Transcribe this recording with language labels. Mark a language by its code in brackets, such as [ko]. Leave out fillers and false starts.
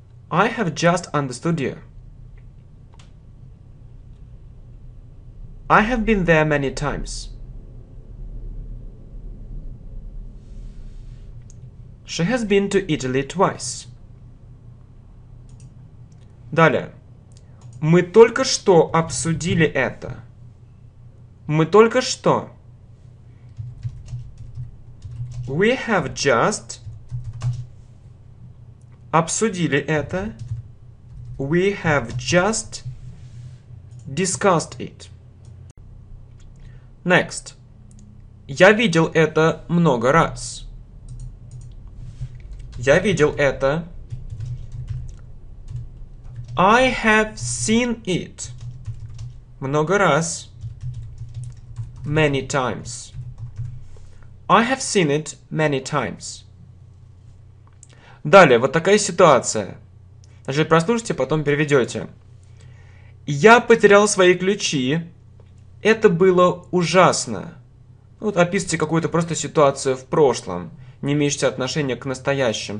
[en] I have just understood you. I have been there many times. She has been to Italy twice. [ru] Далее. Мы только что обсудили это. Мы только что. [en] We have just [ru] обсудили это. [en] We have just discussed it. Next. [ru] Я видел это много раз. Я видел это. [en] I have seen it [ru] много раз. [en] Many times. I have seen it many times. [ru] Далее, вот такая ситуация. Значит, прослушайте, потом переведете. Я потерял свои ключи. Это было ужасно. Вот описывайте какую-то просто ситуацию в прошлом, не имеющую отношения к настоящим.